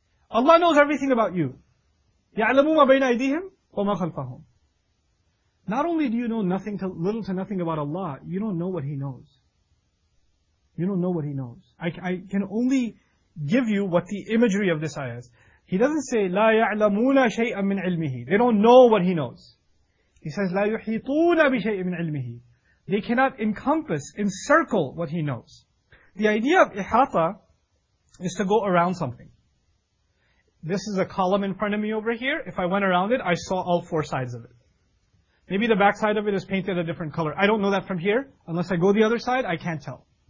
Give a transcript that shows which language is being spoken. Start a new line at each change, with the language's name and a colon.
English: Allah knows everything about you.
Arabic: يَعْلَمُ مَا بَيْنَ أَيْدِيهِمْ وَمَا خَلْفَهُمْ.
English: Not only do you know little to nothing about Allah, you don't know what he knows. You don't know what he knows. I can only give you what the imagery of this ayah is. He doesn't say,
Arabic: لَا يَعْلَمُونَ شَيْئًا مِّنْ عِلْمِهِ.
English: They don't know what he knows. He says,
Arabic: لَا يُحِيطُونَ بِشَيْءٍ مِّنْ عِلْمِهِ.
English: They cannot encompass, encircle what he knows. The idea of ihata is to go around something. This is a column in front of me over here. If I went around it, I saw all four sides of it. Maybe the back side of it is painted a different color. I don't know that from here. Unless I go the other side, I can't tell.